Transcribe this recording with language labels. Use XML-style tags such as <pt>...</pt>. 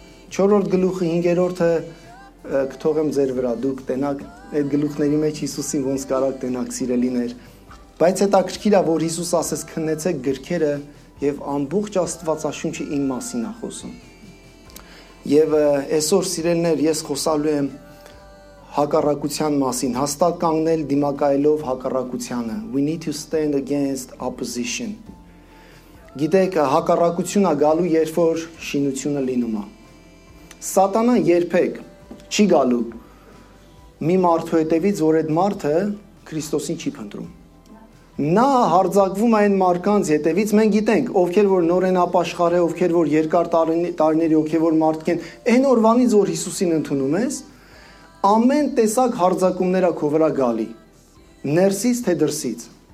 <hy>Չորրորդ գլուխը, 5-րդը կթողեմ ձեր վրա, դուք տենաք այդ գլուխների մեջ Հիսուսին ոնց կարանք տենանք, սիրելիներ։ Բայց հետաքրքիր է, որ Հիսուս ասեց, քննեցեք գրքերը, և ամբողջ Աստվածաշունչը իմ մասին է խոսում։ Եվ այսօր, սիրելիներ, ես խոսալու եմ հակառակության մասին, հաստատ կանգնել դիմակայելով հակառակությանը.</hy> <en>We need to stand against opposition.</en> <hy>Գիտեք, հակառակություն ա գալու, երբ որ շինությունը լինում ա։ Սատանան երբեք չի գալու մի մարդու հետևից, որ այդ մարդը Քրիստոսին չի փնտրում։ Նա հարձակվում այն մարդկանց հետևից, մենք գիտենք, ովքեր որ նորեն ապաշխարե, ովքեր որ երկար տարիների, ովքեր որ մարդիկ են, այն օրվանից, որ Հիսուսին ընդունում ես, ամեն տեսակ հարձակումներա քո վրա գալի, ներսից թե դրսից։</hy>